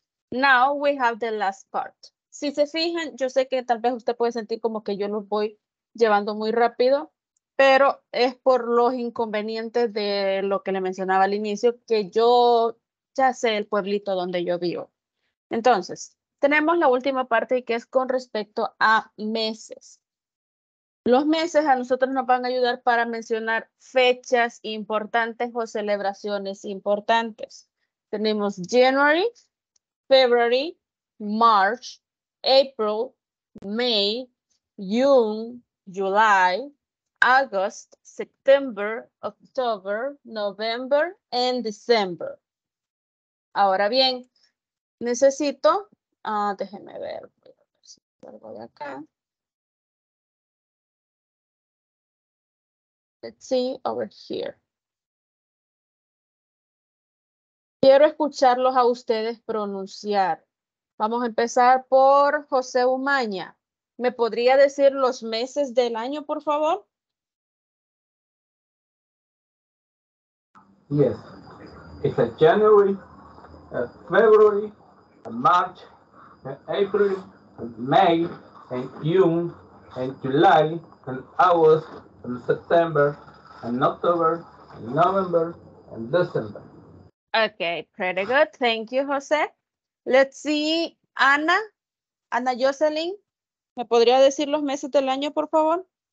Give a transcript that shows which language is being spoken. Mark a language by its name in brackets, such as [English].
[English] Now we have the last part. [Spanish] Si se fijan, yo sé que tal vez usted puede sentir como que yo los voy llevando muy rápido, pero es por los inconvenientes de lo que le mencionaba al inicio, que yo ya sé el pueblito donde yo vivo. Entonces, tenemos la última parte que es con respecto a meses. Los meses a nosotros nos van a ayudar para mencionar fechas importantes o celebraciones importantes. Tenemos January, [English] February, March, April, May, June, July, August, September, October, November, and December. [Spanish] Ahora bien, necesito, déjeme ver, voy a ver si salgo de acá. [English] Let's see over here. [Spanish] Quiero escucharlos a ustedes pronunciar. Vamos a empezar por José Umaña. ¿Me podría decir los meses del año, por favor? [English] Yes. It's a January, a February, a March, a April, a May, and June, and July, and August, and September, and October, and November, and December. Okay, pretty good. Thank you, Jose. Let's see, [Spanish] Ana Jocelyn, ¿me podría decir los meses del año, por favor?